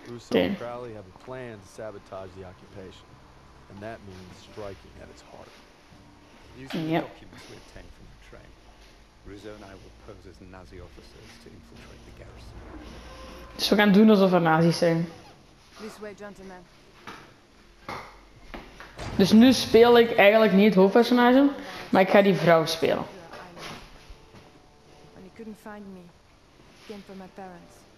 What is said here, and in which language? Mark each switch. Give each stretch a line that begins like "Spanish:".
English: Crowley have a plan to sabotage the occupation. And that means striking at its heart. Using the documents we obtained from the train, Rousseau and I will pose as Nazi officers to infiltrate the garrison.
Dutch: Dus we gaan doen alsof we Nazi zijn.
English: This way, gentlemen.
Dutch: Dus nu speel ik eigenlijk niet het hoofdpersonage, maar ik ga die vrouw spelen.
English: When you couldn't find me, you came for my parents.